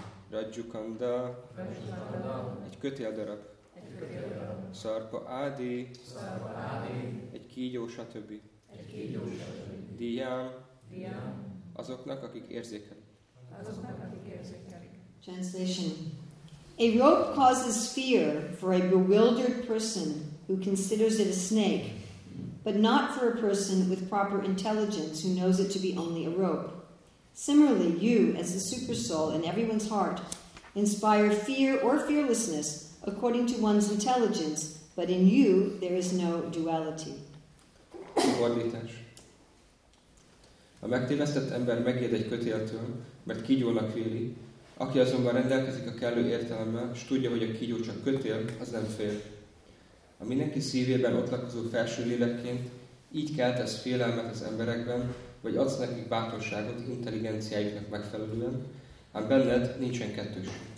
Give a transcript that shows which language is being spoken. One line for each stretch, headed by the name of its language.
Hungarian: Rajjukanda, egy kötéldarab, Sarpa Ádi, egy kígyó, stb. Diyam, azoknak, akik érzékelik.
English: Translation. A rope causes fear for a bewildered person who considers it a snake, but not for a person with proper intelligence who knows it to be only a rope. Similarly, you, as the supersoul in everyone's heart, inspire fear or fearlessness according to one's intelligence, but in you there is no duality.
Hungarian: Fordítás. A megtévesztett ember megijed egy kötéltől, mert kígyónak véli. Aki azonban rendelkezik a kellő értelemmel, s tudja, hogy a kígyó csak kötél, az nem fél. A mindenki szívében ott lakozó felső lélekként így keltesz félelmet az emberekben, vagy adsz nekik bátorságot intelligenciájuknak megfelelően, ám benned nincsen kettőség.